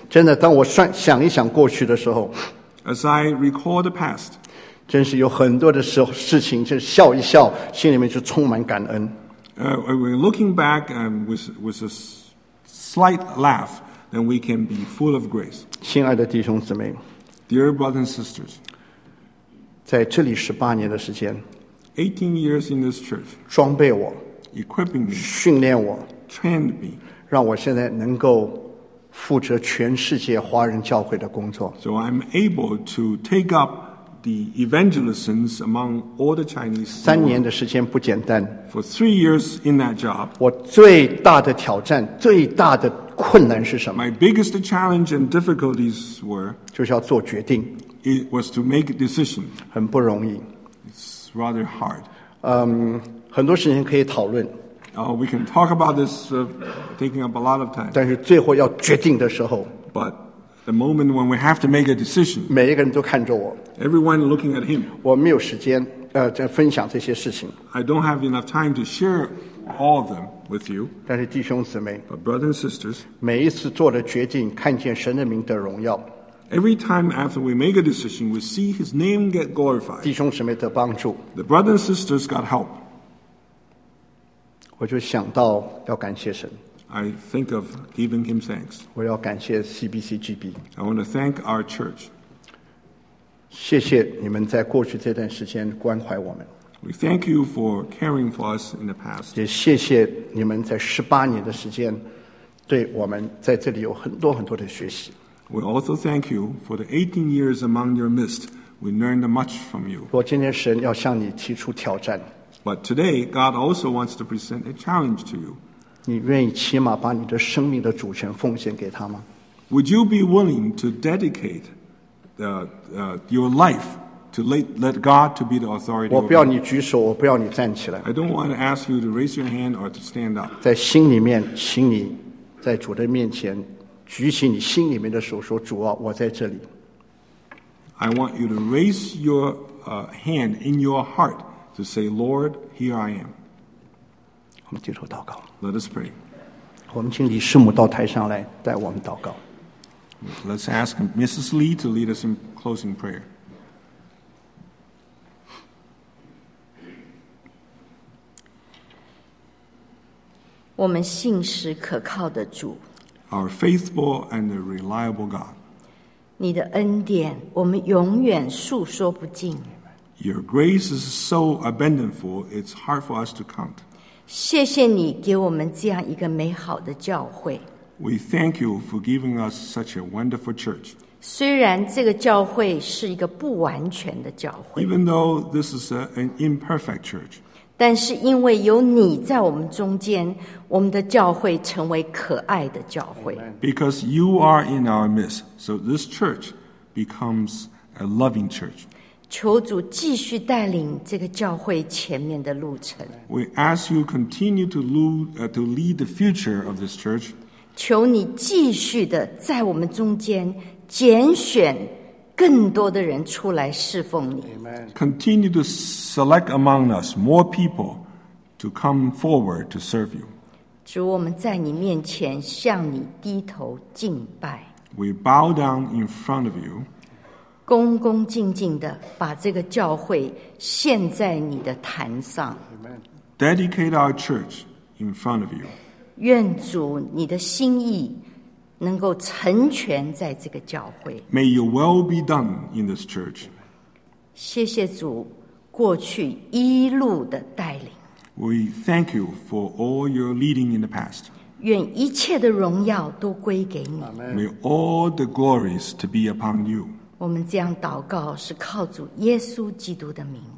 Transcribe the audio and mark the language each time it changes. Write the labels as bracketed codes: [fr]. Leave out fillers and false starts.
[zh] 真的，当我想一想过去的时候 [en] ，As I recall the past, [zh] 真是有很多的事情，就笑一笑，心里面就充满感恩。 [en] We're looking back with a slight laugh, then we can be full of grace. [zh] 亲爱的弟兄姊妹, [en] Dear brothers and sisters, [zh] 在这里十八年的时间, [en] 18 years in this church, [zh] 装备我, [en] equipping me, [zh] 训练我, [en] trained me, [zh] 让我现在能够负责全世界华人教会的工作。 [en] So I'm able to take up the evangelisms among all the Chinese. [zh] 三年的时间不简单。 [en] For 3 years in that job, [zh] 我最大的挑战、最大的困难是什么？ [en] My biggest challenge and difficulties were, [zh] 就是要做决定。 [en] It was to make a decision. [zh] 很不容易。 [en] It's rather hard. [zh] 很多事情可以讨论。 [en] We can talk about this, taking up a lot of time. [zh] 但是最后要决定的时候, [en] but the moment when we have to make a decision, [zh] 每一个人都看着我, [en] everyone looking at him. [zh] 我没有时间, 在分享这些事情。 [en] I don't have enough time to share all of them with you. [zh] 但是弟兄姊妹, [en] but brothers and sisters, [zh] 每一次做了决定, 看见神的名的荣耀。 [en] Every time after we make a decision, we see his name get glorified. [zh] 弟兄姊妹的帮助。 [en] The brothers and sisters got help. [zh] 我就想到要感谢神。 [en] I think of giving him thanks. [zh] 我要感谢 CBCGB. [en] I want to thank our church. [zh] 谢谢你们在过去这段时间关怀我们。 [en] We thank you for caring for us in the past. [zh] 也谢谢你们在十八年的时间对我们在这里有很多很多的学习。 [en] We also thank you for the 18 years among your midst. We learned much from you. [zh] 我今天神要向你提出挑战。 [en] But today, God also wants to present a challenge to you. [zh] 你愿意起码把你的生命的主权奉献给他吗? [en] Would you be willing to dedicate your life to let God to be the authority? [zh] 我不要你举手，我不要你站起来。 [en] I don't want to ask you to raise your hand or to stand up. [zh] 在心里面，请你在主的面前举起你心里面的手，说主啊，我在这里。 [en] I want you to raise your hand in your heart. To say, Lord, here I am. [zh] 我们低头祷告。 [en] Let us pray. [zh] 我们请李师母到台上来带我们祷告。 [en] Let's ask Mrs. Lee to lead us in closing prayer. [zh] 我们信实可靠的主。 [en] Our faithful and reliable God. [zh] 你的恩典，我们永远述说不尽。 [en] Your grace is so abundant, it's hard for us to count. [zh] 谢谢你给我们这样一个美好的教会。 [en] We thank you for giving us such a wonderful church. [zh] 虽然这个教会是一个不完全的教会。 [en] Even though this is an imperfect church. [zh] 但是因为有你在我们中间，我们的教会成为可爱的教会。 [en] Because you are in our midst, so this church becomes a loving church. [zh] 求主继续带领这个教会前面的路程。 [en] We ask you continue to lead the future of this church. [zh] 求你继续的在我们中间拣选更多的人出来侍奉你。 [en] Continue to select among us more people to come forward to serve you. [zh] 主，我们在你面前向你低头敬拜。 [en] We bow down in front of you. [zh] 恭恭敬敬地把这个教会献在你的坛上。 [en] Dedicate our church in front of you. [zh] 愿主你的心意能够成全在这个教会。 [en] May your will be done in this church. [zh] 谢谢主过去一路的带领。 [en] We thank you for all your leading in the past. [zh] 愿一切的荣耀都归给你。 [en] May all the glories to be upon you. [zh] 我们这样祷告是靠主耶稣基督的名。